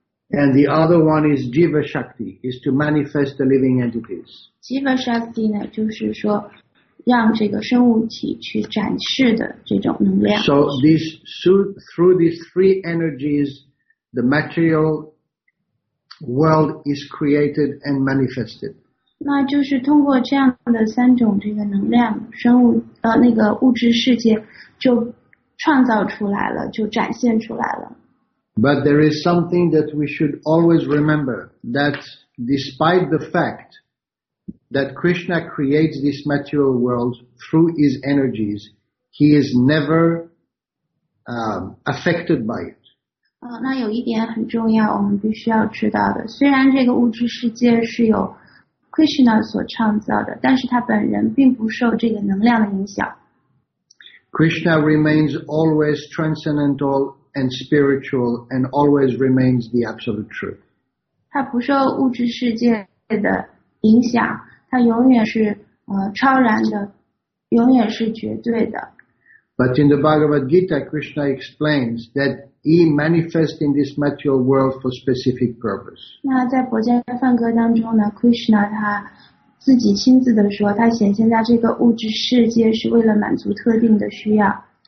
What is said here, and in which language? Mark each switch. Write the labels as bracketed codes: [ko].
[en] And the other one is Jiva Shakti, is to manifest the living entities. [zh] Jiva Shakti 呢就是说让这个生物体去展示的这种能量。 [en] So through these three energies, the material world is created and manifested. [zh] 那就是通过这样的三种这个能量，生物那个物质世界就创造出来了，就展现出来了。 [en] But there is something that we should always remember, that despite the fact. That Krishna creates this material world through his energies, he is never affected by it. [zh] 那有一点很重要，我们必须要知道的。虽然这个物质世界是由 Krishna 所创造的，但是他本人并不受这个能量的影响。 [en] Krishna remains always transcendental and spiritual, and always remains the absolute truth. [zh] 他不受物质世界的影响。它永远是超然的，永远是绝对的。 [en] But in the Bhagavad Gita, Krishna explains that he manifests in this material world for specific purpose. [zh] 那在佛家梵歌当中呢 ，Krishna 他自己亲自的说，他显现在这个物质世界是为了满足特定的需要。